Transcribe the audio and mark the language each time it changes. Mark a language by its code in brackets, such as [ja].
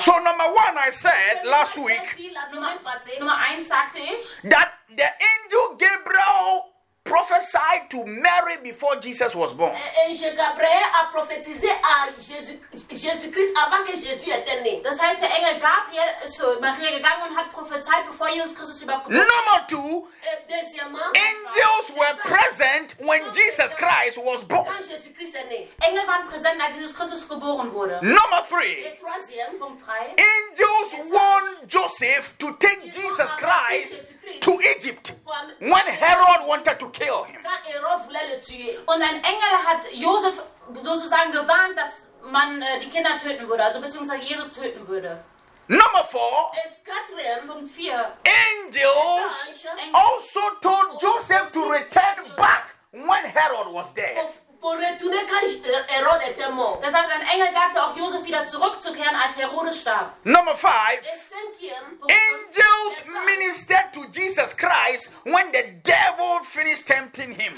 [en] So number one, I said last week that the angel Gabriel prophesied to Mary before Jesus was born. [fr] Angel Gabriel a prophétisé à Jésus-Christ avant que Jésus était né. [de] Das heißt, der Engel Gabriel ist zu Maria gegangen und hat prophezeit, bevor Jesus Christus überhaupt geboren. [en] Number two, angels were present when Jesus Christ was born. [fr] Quand Jésus-Christ est né. [de] Engel waren präsent, als Jesus Christus geboren wurde. [en] Number three, [de] Punkt 3, [en] angels warned Joseph to take Jesus Christ to Egypt when Herod wanted to kill him. [de] Und ein Engel hat Josef sozusagen gewarnt, dass man die Kinder töten würde, also beziehungsweise Jesus töten würde. [en] Number four, [de] Punkt 4. [en] Angels also told Joseph to return back when Herod was there. [de] Das heißt, ein Engel sagte auch Josef wieder zurückzukehren, als Herodes starb. [en] Number five. Angels ministered to Jesus Christ when the devil finished tempting him.